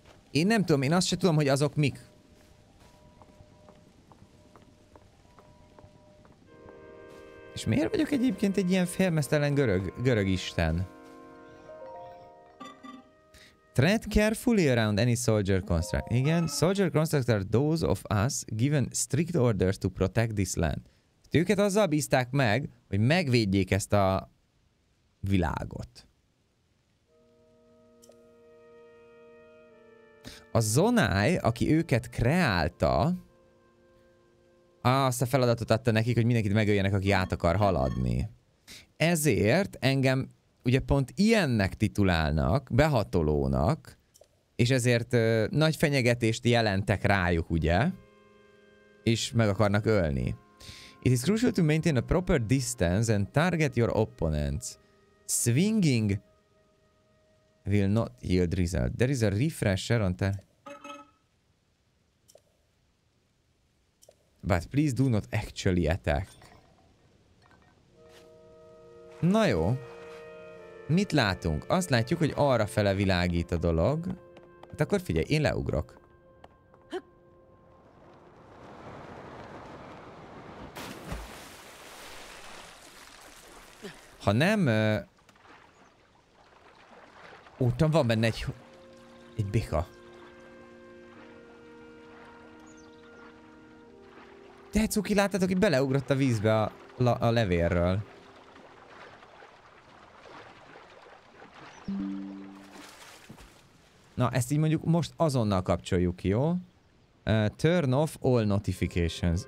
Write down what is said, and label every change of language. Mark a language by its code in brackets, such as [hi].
[hu] Én nem tudom, én azt sem tudom, hogy azok mik. És miért vagyok egyébként egy ilyen félmeztelen görög isten? [en] Tread carefully around any soldier construct. Igen, soldier constructs are those of us given strict orders to protect this land. [hu] Őket azzal bízták meg, hogy megvédjék ezt a világot. A Zonai, aki őket kreálta, azt a feladatot adta nekik, hogy mindenkit megöljenek, aki át akar haladni. Ezért engem ugye pont ilyennek titulálnak, behatolónak, és ezért nagy fenyegetést jelentek rájuk, ugye? És meg akarnak ölni. [en] It is crucial to maintain a proper distance and target your opponents. Swinging will not yield result. There is a refresher on that. But please do not actually attack. [hu] Na jó. Mit látunk? Azt látjuk, hogy arra fele világít a dolog. Hát akkor figyelj, én leugrok. Ha nem... Úgyhogy van benne egy bika. De cuki, láttátok, hogy beleugrott a vízbe a levérről. Na, ezt így mondjuk most azonnal kapcsoljuk, jó? [en] Turn off all notifications.